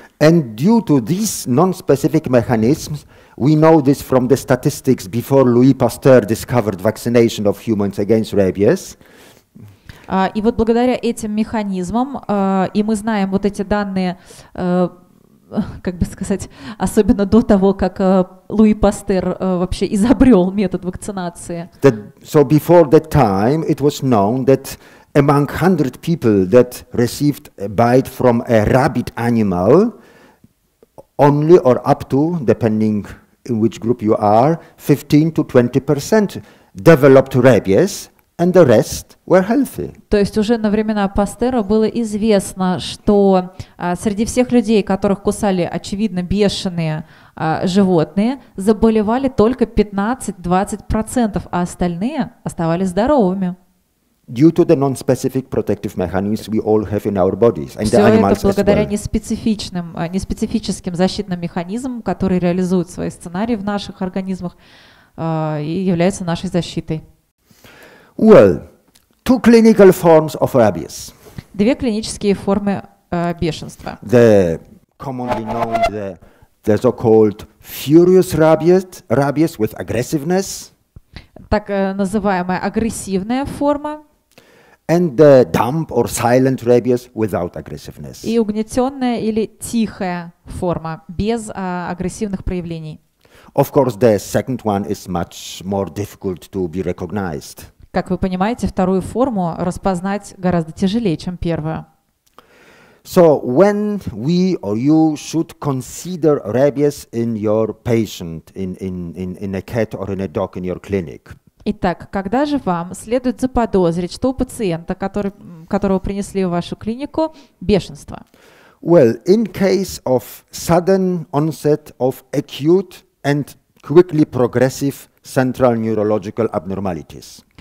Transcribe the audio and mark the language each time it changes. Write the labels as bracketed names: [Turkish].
[English] And due to these non-specific mechanisms, we know this from the statistics before Louis Pasteur discovered vaccination of humans against rabies. [Russian] И вот благодаря этим механизмам, и мы знаем вот эти данные, как бы сказать, особенно до того, как Луи Пастер вообще изобрел метод вакцинации. [English] That, so before that time it was known that among 100 people that received a bite from a rabid animal, only or up to, depending in which group you are, 15-20% developed rabies. And the rest were healthy. [Russian] То есть уже на времена Пастера было известно, что среди всех людей, которых кусали, очевидно, бешеные животные, заболевали только 15-20%, а остальные оставались здоровыми. [English] Due to the non-specific protective mechanisms we all have in our bodies, and [Russian] все [English] the animals as well. [Russian] Все это благодаря неспецифичным, неспецифическим защитным механизмам, которые реализуют свои сценарии в наших организмах и являются нашей защитой. [English] Well, two clinical forms of rabies. [Russian] Две клинические формы бешенства. [English] The commonly known the so-called furious rabies with aggressiveness. [Russian] Так называемая агрессивная форма. [English] And the dumb or silent rabies without aggressiveness. [Russian] И угнетенная или тихая форма без агрессивных проявлений. [English] Of course, the second one is much more difficult to be recognized. [Russian] Как вы понимаете, вторую форму распознать гораздо тяжелее, чем первую. [English] So when we or you should consider rabies in your patient, in a cat or in a dog in your clinic? [Russian] Итак, когда же вам следует заподозрить, что у пациента, которого принесли в вашу клинику, бешенство? [English] Well, in case of sudden onset of acute and quickly progressive central neurological abnormalities.